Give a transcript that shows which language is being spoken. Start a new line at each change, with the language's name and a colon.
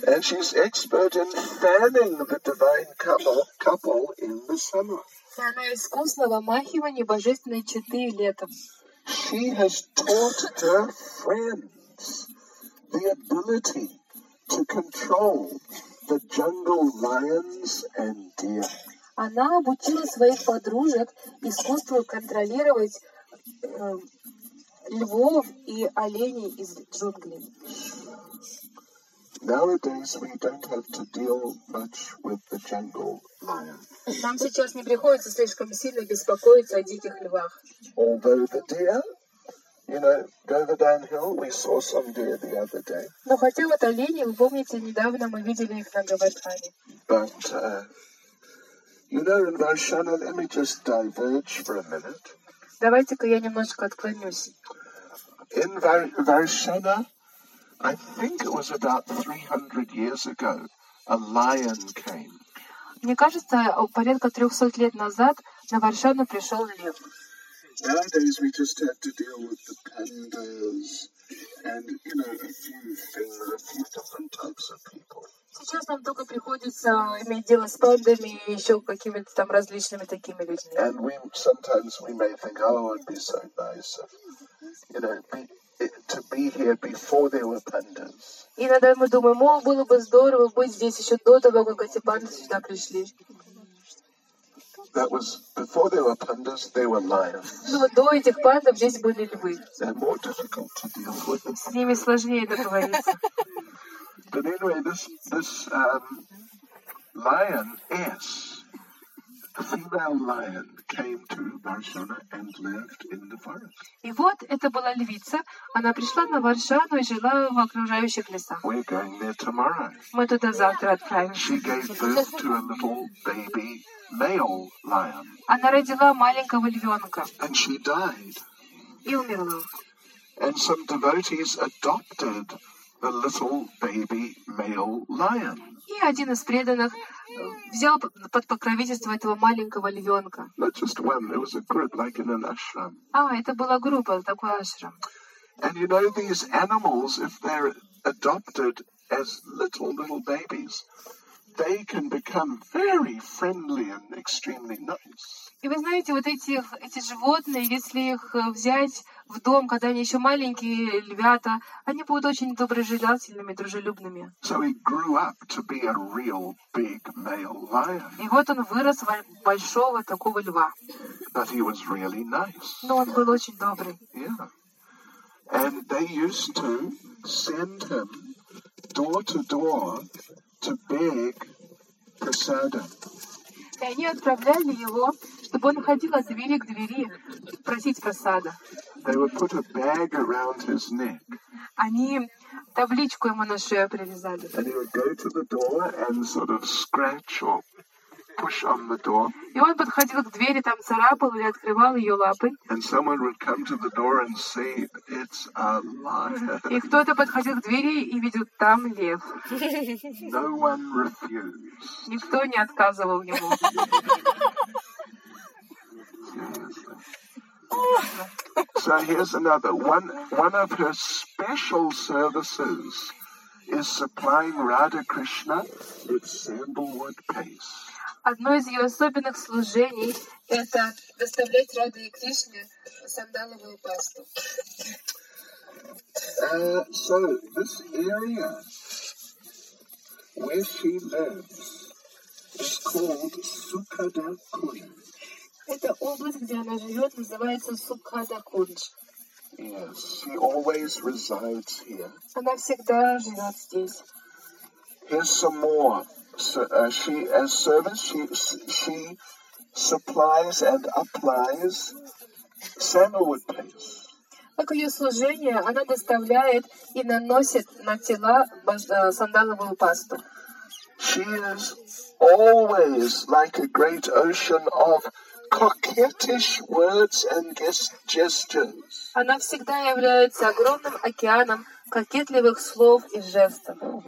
English: And she's expert in fanning the divine couple in the summer.
Russian: И она искусна в омахивании божественной четы летом.
English: She has taught her friends the ability to control the jungle lions and deer.
Russian: Она обучила своих подружек искусству контролировать львов и оленей из джунглей.
English: Nowadays we don't have to deal much with the jungle lion.
Russian: Нам сейчас не приходится слишком сильно беспокоиться о диких львах.
English: Although the deer, you know, Govardhan Hill, we saw some deer the other day.
Russian: Но хотя вот олени, вы помните, недавно мы видели их на Говардхане.
English: But you know, in Vaishnava, let me just diverge for a minute.
Russian: Давайте-ка я немножко отклонюсь.
English: In Vaishnava, I think it was about 300 years ago, a lion came.
Russian: Мне кажется, порядка 300 лет назад на Варшану пришел лев.
English: Nowadays we just have to deal with the pandas and, you know, a few different types of people.
Russian: Сейчас нам только приходится иметь дело с пандами и еще какими-то там различными такими людьми.
English: And we sometimes we may think, oh, it'd be so nice, you know, to be here before there were pandas.
Russian: Иногда мы думаем, о, было бы здорово быть здесь еще до того, как эти панды сюда пришли.
English: That was before there were pandas, there were lions.
Russian: Ну, до этих пандов здесь были львы.
English: They're more difficult to deal with.
Russian: С ними сложнее договориться.
English: But anyway, this lioness, female lion, came to Varshana and lived in the forest.
Russian: И вот это была львица. Она пришла на Варшану и жила в окружающих лесах.
English: We're going there tomorrow.
Russian: Мы туда завтра отправимся.
English: She gave birth to a little baby male lion.
Russian: Она родила маленького львенка.
English: And she died.
Russian: И умерла.
English: And some devotees adopted the little baby male lion.
Russian: И один из преданных взял под покровительство этого маленького львенка.
English: Not just one, there was a group like in an ashram.
Russian: А, это была группа, такой ашрам.
English: And you know these animals, if they're adopted as little babies, they can become very friendly and extremely nice.
Russian: И вы знаете, вот эти животные, если их взять в дом, когда они еще маленькие львята, они будут очень доброжелательными, дружелюбными.
English: So he grew up to be a real big male lion.
Russian: И вот он вырос в большого такого льва.
English: But he was really nice.
Russian: Но он был очень добрый. Yeah.
English: And they used to send him door to door to beg prasada.
Russian: И они отправляли его, чтобы он ходил от двери к двери просить просада.
English: They would put a bag around his neck.
Russian: Они табличку ему на шею привязали.
English: And he would go to the door and sort of scratch or push on the door.
Russian: И он подходил к двери, там царапал или открывал ее лапой.
English: And someone would come to the door and say, "It's a lion."
Russian: И кто-то подходил к двери и видел, там лев.
English: No one refused.
Russian: Никто не отказывал ему.
English: So here's another one of her special services is supplying Radha Krishna with sandalwood paste.
Russian: Одно из ее особенных служений это доставлять Раде и Кришне сандаловую пасту.
English: So this area where she lives is called Sukhada Kunj.
Russian: Эта область, где она живет, называется Сукхада Кунж.
English: Yes, she always resides here.
Russian: Она всегда живет здесь.
English: Here's some more. She as service, she supplies and applies sandalwood paste.
Russian: Как ее служение, она доставляет и наносит на тела сандаловую пасту.
English: She is always like a great ocean of coquettish words and gestures.
Russian: Она всегда является огромным океаном кокетливых слов и жестов.